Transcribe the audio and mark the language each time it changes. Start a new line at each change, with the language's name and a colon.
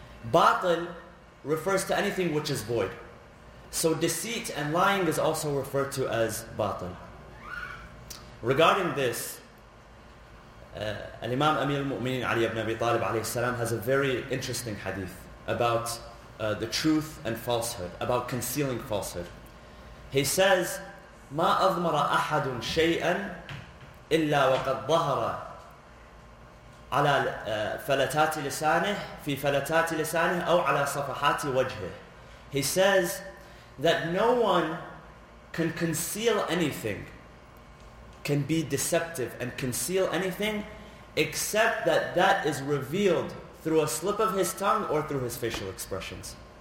English: Batil refers to anything which is void. So deceit and lying is also referred to as batil. Regarding this, Al-Imam Amir al-Mu'mineen Ali ibn Abi Talib alayhi salam has a very interesting hadith about the truth and falsehood, about concealing falsehood. He says,
Arabic: مَا أَضْمَرَ أَحَدٌ شَيْئًا إِلَّا وَقَدْ ظَهَرَ على فلتات لسانه في فلتات لسانه أو على صفحات وجهه.
English: He says that no one can conceal anything, can be deceptive and conceal anything, except that that is revealed through a slip of his tongue or through his facial expressions.